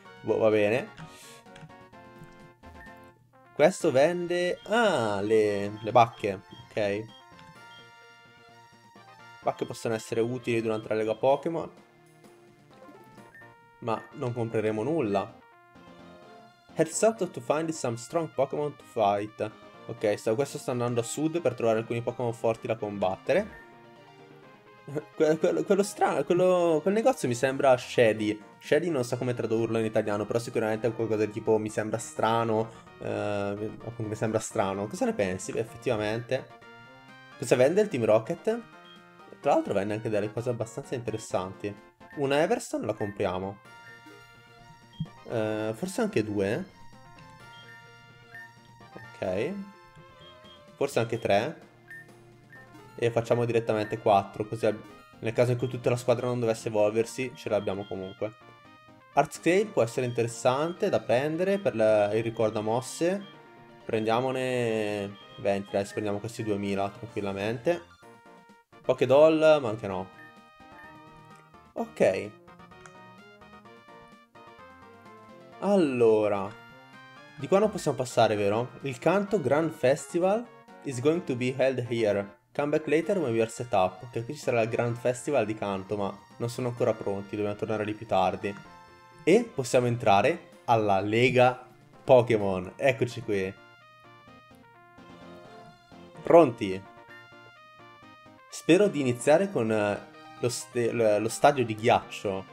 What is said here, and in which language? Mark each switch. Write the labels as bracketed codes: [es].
[it] Boh, va bene. Questo vende... Ah, le bacche. Ok. Bacche possono essere utili durante la Lega Pokémon. Ma non compreremo nulla. [en] Heads up to find some strong Pokémon to fight. [it] Ok, questo sta andando a sud per trovare alcuni Pokémon forti da combattere. Quello strano, quel negozio mi sembra shady. Shady non so come tradurlo in italiano, però sicuramente è qualcosa di tipo mi sembra strano. Mi sembra strano. Cosa ne pensi? Beh, effettivamente. Cosa vende il Team Rocket? Tra l'altro vende anche delle cose abbastanza interessanti. Una Everstone la compriamo. Forse anche due. Ok. Forse anche tre. E facciamo direttamente quattro, così nel caso in cui tutta la squadra non dovesse evolversi, ce l'abbiamo comunque. Hardscale può essere interessante da prendere per il ricorda mosse. Prendiamone 20, dai, spendiamo questi 2000 tranquillamente. Pokédoll, ma anche no. Ok. Allora, di qua non possiamo passare, vero? [en] Il Kanto Grand Festival is going to be held here. Come back later when we are set up. [it] Ok, qui ci sarà il Grand Festival di Kanto, ma non sono ancora pronti, dobbiamo tornare lì più tardi. E possiamo entrare alla Lega Pokémon. Eccoci qui. Pronti? Spero di iniziare con lo stadio di ghiaccio.